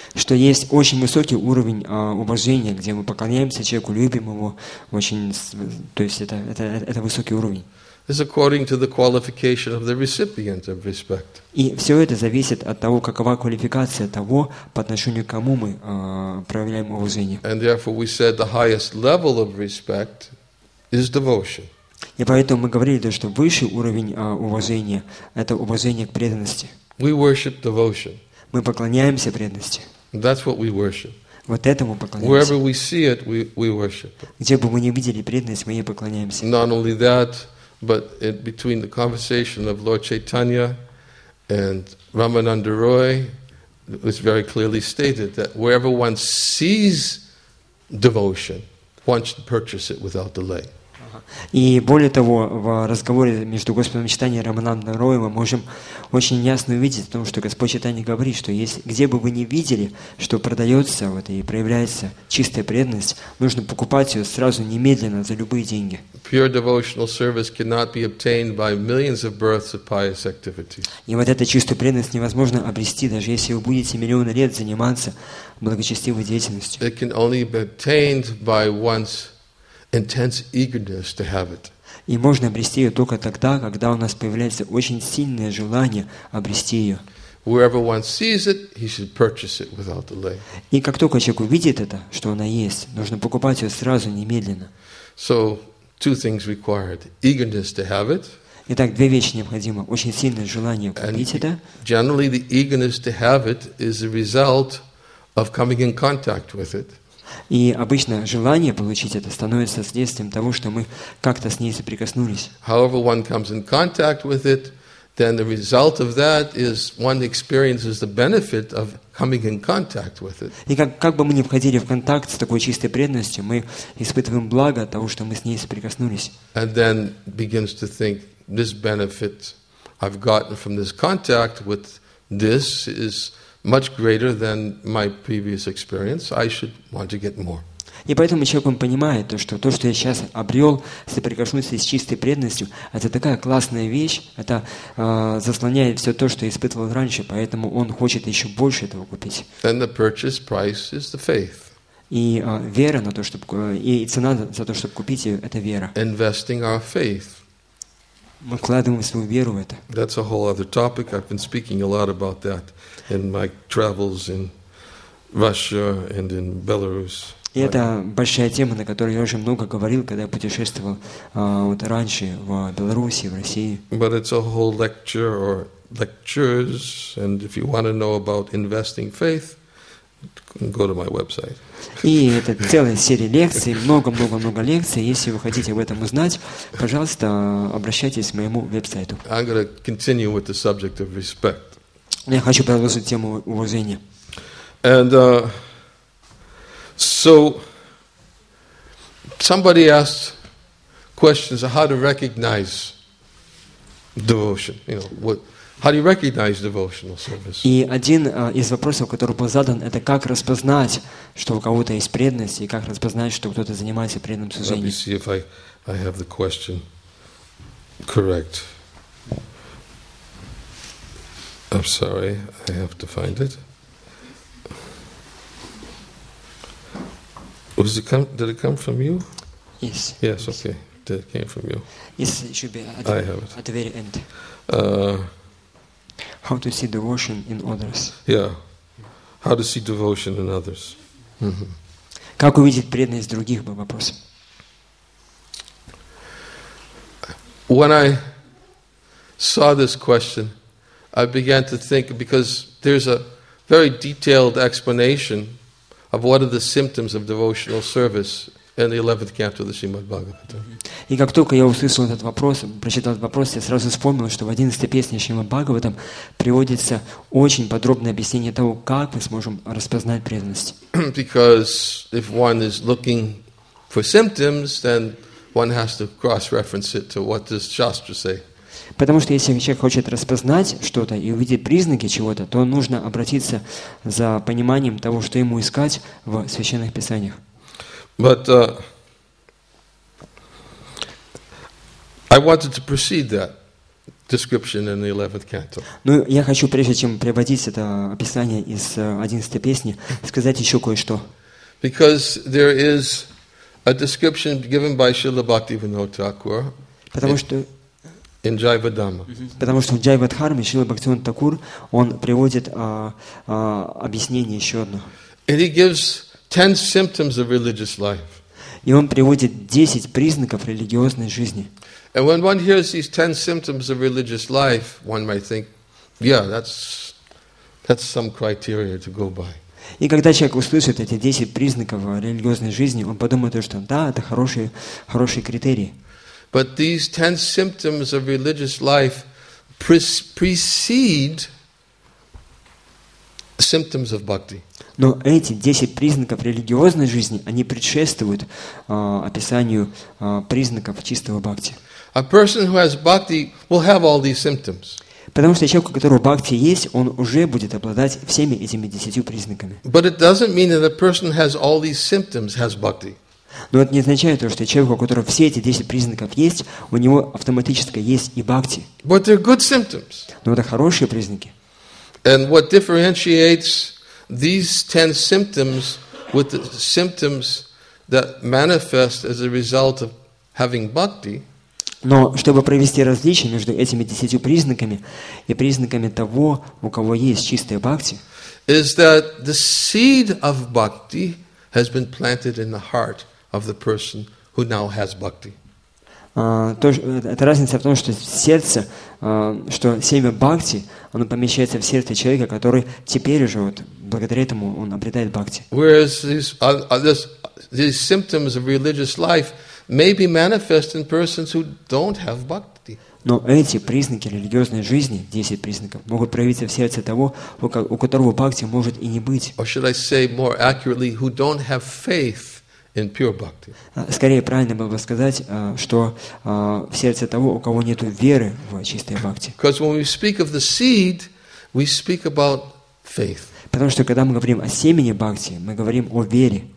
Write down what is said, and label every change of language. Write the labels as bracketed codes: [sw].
[ru] Что есть очень высокий уровень уважения, где мы поклоняемся человеку, любим его, очень, то есть это высокий уровень. [en] It's according to the qualification of the recipient of respect. [ru] И все это зависит от того, какова квалификация того, по отношению к кому мы проявляем уважение. [en] And therefore we said the highest level of respect is devotion. [ru] И поэтому мы говорили, что высший уровень уважения – это уважение к преданности. [en] We worship devotion. [ru] Мы поклоняемся преданности. [en] That's what we worship. [ru] Вот этому поклоняемся. [en] Wherever we see it, we worship. [ru] Где бы мы ни видели преданность, мы ей поклоняемся. [en] Not only that, but it, between the conversation of Lord Chaitanya and Ramananda Roy, it was very clearly stated that wherever one sees devotion, one should purchase it without delay. [ru] И более того, в разговоре между Господом Читанием и Рамананда Роем мы можем очень ясно увидеть о том, что Господь Читание говорит, что есть, где бы вы ни видели, что продается вот, и проявляется чистая преданность, нужно покупать ее сразу, немедленно, за любые деньги. [en] Pure devotional service cannot be obtained by millions of births of pious activities. [ru] И вот эту чистую преданность невозможно обрести, даже если вы будете миллионы лет заниматься благочестивой деятельностью. [en] It can only be obtained by one's intense eagerness to have it. [ru] И можно обрести ее только тогда, когда у нас появляется очень сильное желание обрести ее. [en] Wherever one sees it, he should purchase it without delay. [ru] И как только человек увидит это, что она есть, нужно покупать ее сразу, немедленно. [en] So two things required: eagerness to have it. [ru] Итак, две вещи необходимы: очень сильное желание купить это. [en] Generally, the eagerness to have it is the result of coming in contact with it. [ru] И обычно желание получить это становится следствием того, что мы как-то с ней соприкоснулись. [en] However, one comes in contact with it, then the result of that is one experiences the benefit of coming in contact with it. [ru] И как бы мы ни входили в контакт с такой чистой преданностью, мы испытываем благо от того, что мы с ней соприкоснулись. [en] And then begins to think this benefit I've gotten from this contact with this is much greater than my previous experience, I should want to get more. [ru] И поэтому человек понимает то, что я сейчас обрел, соприкоснулся с чистой преданностью, это такая классная вещь, это заслоняет все то, что я испытывал раньше, поэтому он хочет еще больше этого купить. [en] Then the purchase price is the faith. [ru] И вера на то, чтобы и цена за то, чтобы купить ее, это вера. [en] Investing our faith. [ru] Мы вкладываем свою веру в это. [en] That's a whole other topic. I've been speaking a lot about that in my travels in Russia and in Belarus. [ru] И это большая тема, на которой я уже много говорил, когда я путешествовал вот раньше в Беларуси, в России. [en] But it's a whole lecture or lectures, and if you want to know about investing faith, go to my website. [ru] И это целая серия лекций, много лекций. Если вы хотите об этом узнать, пожалуйста, обращайтесь к моему веб-сайту. [en] I'm going to continue with the subject of respect. [ru] Я хочу продолжить тему уважения. [en] And so somebody asked questions of how to recognize devotion. You know what? How do you recognize devotional service? [ru] И один из вопросов, который был задан, это как распознать, что у кого-то есть преданность, и как распознать, что кто-то занимается преданным служением. [en] Let me see if I have the question correct. I'm sorry, I have to find it. Was it come? Did it come from you? Yes. Yes. Okay. Did it came from you? Yes, it should be. I have it at the very end. How to see devotion in others? Yeah. How to see devotion in others? Mm-hmm. [ru] Как увидеть преданность других был вопрос. [en] When I saw this question, I began to think because there's a very detailed explanation of what are the symptoms of devotional service in the 11th canto of the Srimad Bhagavatam. [ru] И как только я услышал этот вопрос, прочитал этот вопрос, я сразу вспомнил, что в 11-й песне Шримад Бхагаватам приводится очень подробное объяснение того, как мы сможем распознать преданность. [en] Because if one is looking for symptoms, then one has to cross-reference it to what does Shastra say. [ru] Потому что если человек хочет распознать что-то и увидеть признаки чего-то, то нужно обратиться за пониманием того, что ему искать в священных писаниях. [en] But I wanted to precede that description in the 11th canto. [ru] Ну, я хочу, прежде чем приводить это описание из 11-й песни, сказать еще кое-что. [en] Because there is a description given by Śrīla Bhaktivinoda Thakura. [ru] Потому что [en] in Jaiva Dhamma. [ru] Потому что в Jaiva Dharma Śrīla Bhaktivinoda Thakura он приводит объяснение еще одно. [en] And he gives 10 symptoms of religious life. [ru] И он приводит 10 признаков религиозной жизни. [en] And when one hears these 10 symptoms of religious life, one might think, yeah, that's some criteria to go by. [ru] И когда человек услышит эти 10 признаков религиозной жизни, он подумает, что да, это хорошие критерии. [en] But these 10 symptoms of religious life precede symptoms of bhakti. [ru] Но эти 10 признаков религиозной жизни, они предшествуют описанию признаков чистого бхакти. [en] A person who has bhakti will have all these symptoms. [ru] Потому что человек, у которого бхакти есть, он уже будет обладать всеми этими 10 признаками. [en] But it doesn't mean that a person has all these symptoms has bhakti. [ru] Но это не означает то, что человек, у которого все эти 10 признаков есть, у него автоматически есть и бхакти. [en] But they're good symptoms. [ru] Но это хорошие признаки. [en] And what differentiates these 10 symptoms with the symptoms that manifest as a result of having bhakti? [ru] Но чтобы провести различие между этими 10 признаками и признаками того, у кого есть чистая бхакти, [en] is that the seed of bhakti has been planted in the heart of the person who now has bhakti. [ru] Это разница в том, что сердце, что семя бхакти, оно помещается в сердце человека, который теперь уже вот благодаря этому он обретает бхакти. [en] Whereas these symptoms of religious life may be manifest in persons who don't have bhakti. [ru] Но эти признаки религиозной жизни, 10 признаков, могут проявиться в сердце того, у которого бхакти может и не быть. [en] Or should I say more accurately, who don't have faith in pure bhakti? [ru] Скорее правильно было бы сказать, что в сердце того, у кого нету веры в чистой бхакти. [en] Because when we speak of the seed, we speak about faith. [ru] Потому что когда мы говорим о семени бхакти, мы говорим о вере.